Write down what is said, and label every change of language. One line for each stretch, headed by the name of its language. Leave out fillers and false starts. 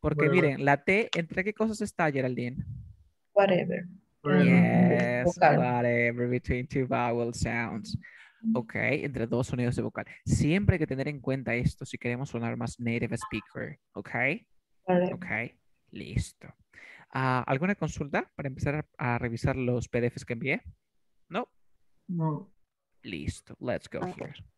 Spanish: Miren, la T, ¿entre qué cosas está, Geraldine?
English: Whatever. Yes, whatever, between two vowel sounds.
Spanish: Ok, entre dos sonidos de vocal. Siempre hay que tener en cuenta esto si queremos sonar más native speaker, ¿ok? Ok, listo. ¿Alguna consulta para empezar a revisar los PDFs que envié? No. No.
English: Listo, let's go here.